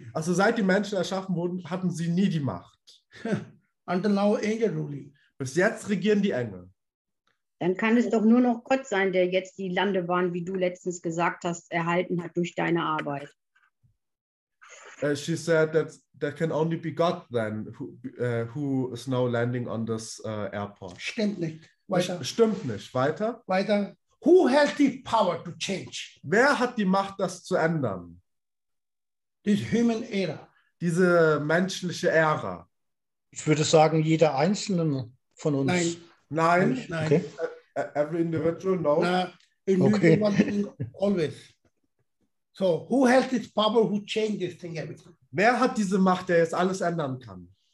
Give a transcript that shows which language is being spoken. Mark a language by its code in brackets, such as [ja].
[de] Also seit die Menschen erschaffen wurden, hatten sie nie die Macht. [en] Until now, angel ruling. [de] Bis jetzt regieren die Engel. Dann kann es doch nur noch Gott sein, der jetzt die Landebahn, wie du letztens gesagt hast, erhalten hat durch deine Arbeit. [en] She said that there can only be God then, who is now landing on this airport. [de] Stimmt nicht. Weiter. Stimmt nicht. Weiter. Weiter. [en] Who has the power to change? [de] Wer hat die Macht, das zu ändern? [en] This human era. [de] Diese menschliche Ära. Ich würde sagen, jeder Einzelne von uns. Nein. Nein. [en] Okay. Every individual, no. Always. So, who has this power who changes things? [de] Wer hat diese Macht, der jetzt alles ändern kann?